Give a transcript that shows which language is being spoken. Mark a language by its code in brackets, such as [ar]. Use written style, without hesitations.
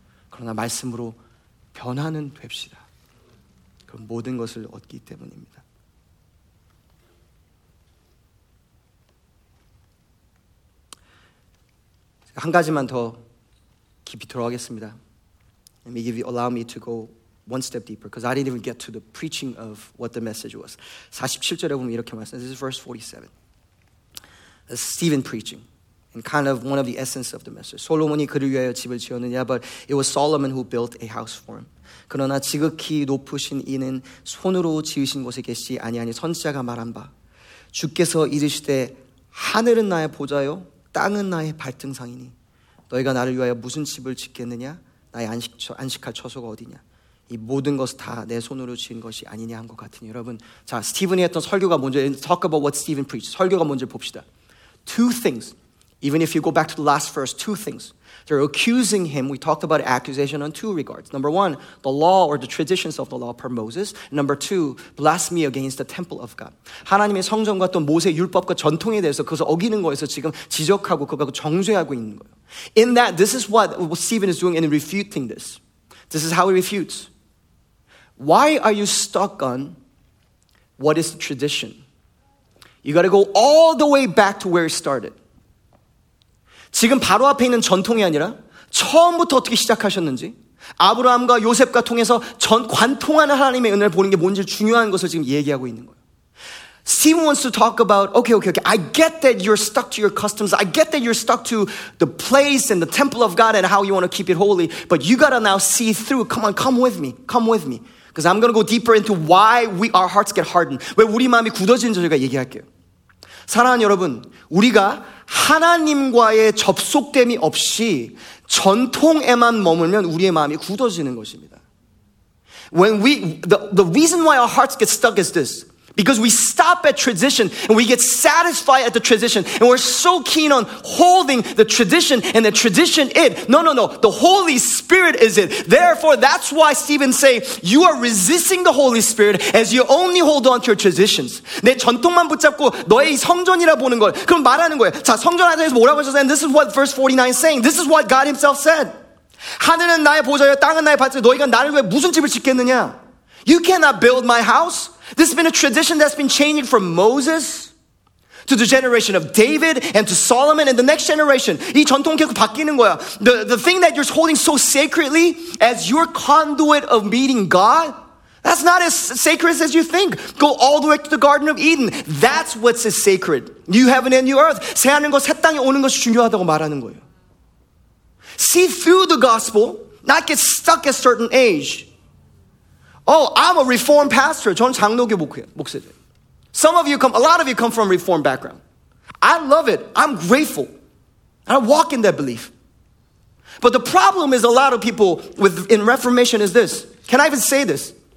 [ko] 그러나 말씀으로 변화는 됩시다. 그럼 모든 것을 얻기 때문입니다. 한 가지만 더 깊이 들어가겠습니다. [en] Let me give you, allow me to go one step deeper because I didn't even get to the preaching of what the message was. [ko] 47절에 보면 이렇게 말씀해요. [en] This is verse 47. Stephen preaching and kind of one of the essence of the message. [ko] 솔로몬이 그를 위하여 집을 지었느냐? [en] But it was Solomon who built a house for him. [ko] 그러나 지극히 높으신 이는 손으로 지으신 곳에 계시지 아니하니 선지자가 말한 바 주께서 이르시되 하늘은 나의 보좌요 땅은 나의 발등상이니 너희가 나를 위하여 무슨 집을 짓겠느냐? 나의 안식할 처소가 어디냐? 이 모든 것 다 내 손으로 지은 것이 아니냐 한 것 같으니 여러분 자 스티븐이 했던 설교가 뭔지 [en] talk about what Stephen preached [ko] 설교가 뭔지 봅시다 [en] two things even if you go back to the last verse two things they're accusing him we talked about accusation on two regards number one the law or the traditions of the law per Moses number two blasphemy against the temple of God [ko] 하나님의 성전과 또 모세 율법과 전통에 대해서 그것을 어기는 거에서 지금 지적하고 그거 정죄하고 있는 거예요 [en] in that this is what Stephen is doing in refuting this This is how he refutes. Why are you stuck on what is the tradition? You got to go all the way back to where it started. [ko] 지금 바로 앞에 있는 전통이 아니라 처음부터 어떻게 시작하셨는지 아브라함과 요셉과 통해서 관통하는 하나님의 은혜를 보는 게 뭔지 중요한 것을 지금 얘기하고 있는 거예요. [en] Stephen wants to talk about, okay, I get that you're stuck to your customs. I get that you're stuck to the place and the temple of God and how you want to keep it holy. But you got to now see through. Come on, come with me. Because I'm going to go deeper into why our hearts get hardened. [ko] 왜 우리 마음이 굳어지는지 제가 얘기할게요. 사랑하는 여러분, 우리가 하나님과의 접속됨이 없이 전통에만 머물면 우리의 마음이 굳어지는 것입니다. [en] The reason why our hearts get stuck is this. Because we stop at tradition and we get satisfied at the tradition and we're so keen on holding the tradition and the tradition it. No. The Holy Spirit is it. Therefore, that's why Stephen's saying you are resisting the Holy Spirit as you only hold on to your traditions. [ko] 내 전통만 붙잡고 너의 성전이라 보는 걸. 그럼 말하는 거예요. 자, 성전 안에서 뭐라고 하셨어요? [en] And this is what verse 49 is saying. This is what God himself said. [ko] 하늘은 나의 보좌여 땅은 나의 밭이니 너희가 나를 위해 무슨 집을 짓겠느냐? [en] You cannot build my house. This has been a tradition that's been changing from Moses to the generation of David and to Solomon and the next generation. [ko] 이 전통 계속 바뀌는 거야. [en] The thing that you're holding so sacredly as your conduit of meeting God, that's not as sacred as you think. Go all the way to the Garden of Eden. That's what's as sacred. New heaven and new earth. [ko] 새 하늘 것, 새 땅에 오는 것이 중요하다고 말하는 거예요. [en] See through the gospel, not get stuck at certain age. Oh, I'm a reformed pastor. [ko] 저는 장로교 목사예요. [en] A lot of you come from a reformed background. I love it. I'm grateful. I walk in that belief. But the problem is a lot of people in Reformation is this. Can I even say this?